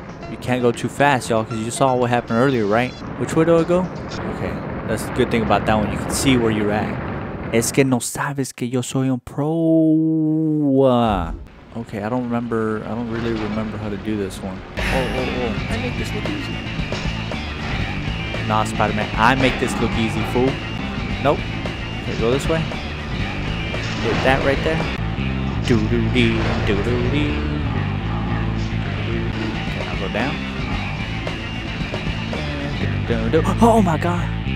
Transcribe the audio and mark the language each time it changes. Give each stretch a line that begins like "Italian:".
English: You can't go too fast, y'all, because you saw what happened earlier, right? Which way do I go? Okay, that's the good thing about that one. You can see where you're at.
Spanish: Es que no sabes que yo soy un pro.
English: Okay, I don't really remember how to do this one. I make this look easy. Nah, Spider-Man, I make this look easy, fool. Nope. Okay, go this way. Hit that right there. Doo-doo-dee. Okay, I'll go down. Oh my god!